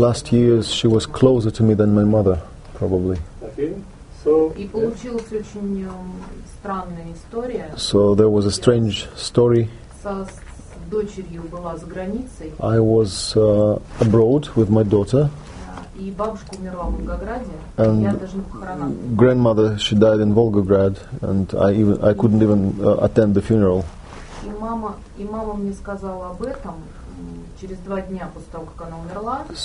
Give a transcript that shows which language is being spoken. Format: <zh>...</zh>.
<en>Last years she was closer to me than my mother, probably.</en> <ru>И получилась очень странная история.</ru> <en>So there was a strange story.</en> <ru>Дочерью была за границей.</ru> <en>I was abroad with my daughter.</en> <ru>И бабушка умерла в Волгограде.</ru> <en>And</en> <ru>я даже на похоронах.</ru> <en>Grandmother, she died in Volgograd, and I couldn't even attend the funeral.</en> <ru>И мама мне сказала об этом через два дня после того, как она умерла.</ru>